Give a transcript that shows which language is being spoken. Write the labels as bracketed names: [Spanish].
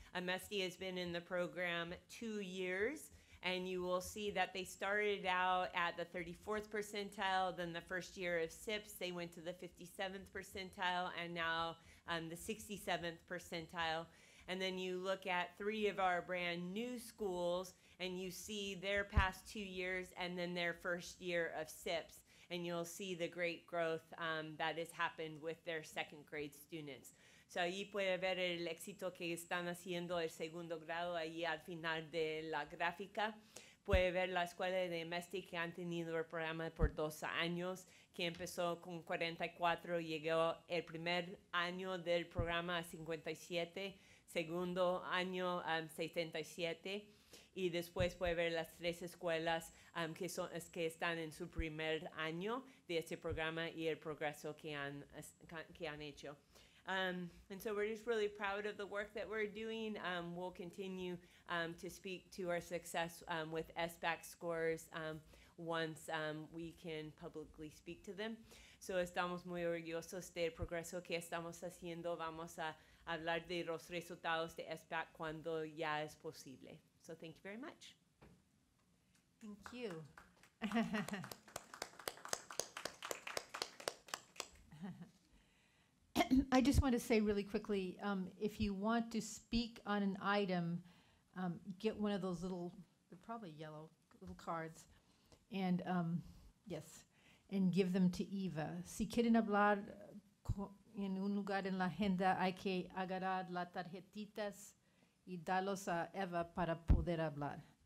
[English] A MESTI has been in the program 2 years, and you will see that they started out at the 34th percentile, then the first year of SIPS, they went to the 57th percentile, and now the 67th percentile. And then you look at three of our brand new schools, and you see their past 2 years, and then their first year of SIPS, and you'll see the great growth that has happened with their second grade students. [Spanish] So ahí puede ver el éxito que están haciendo el segundo grado ahí al final de la gráfica. Puede ver la escuela de MESTI que han tenido el programa por 2 años, que empezó con 44, llegó el primer año del programa a 57, segundo año a 77, y después puede ver las tres escuelas que están en su primer año de este programa y el progreso que han hecho. [English] And so we're just really proud of the work that we're doing. We'll continue to speak to our success with SBAC scores once we can publicly speak to them. [Spanish] So estamos muy orgullosos del progreso que estamos haciendo. Vamos a hablar de los resultados de SBAC cuando ya es posible. [English] So thank you very much. Thank you. I just want to say really quickly, if you want to speak on an item, get one of those little, they're probably yellow, little cards, and yes, and give them to Eva. [Spanish] Si quieren hablar en un lugar en la agenda, hay que agarrar las tarjetitas y darlos a Eva para poder hablar.